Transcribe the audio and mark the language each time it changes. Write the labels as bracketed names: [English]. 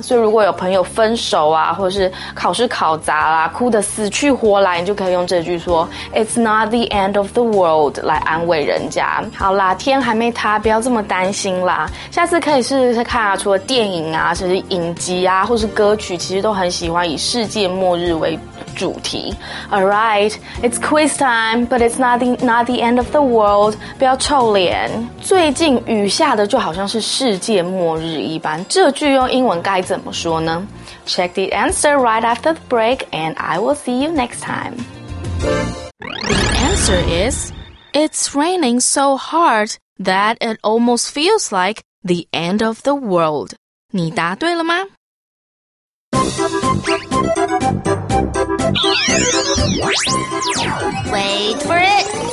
[Chinese] 所以如果有朋友分手啊，或是考试考砸啦，哭得死去活来，你就可以用这句说 [English] It's not the end of the world [Chinese] 来安慰人家。好啦，天还没塌，不要这么担心啦。下次可以试试看啊，除了电影啊，甚至影集啊，或是歌曲，其实都很喜欢以世界末日为主题。 [English] Alright, it's quiz time, but it's not the end of the world. [Chinese] 不要臭脸。最近雨下的就好像是世界末日一般，这句用英文该怎么说呢？ [English] Check the answer right after the break, and I will see you next time. The answer is, it's raining so hard that it almost feels like the end of the world. [Chinese] 你答对了吗？ [English] Wait for it!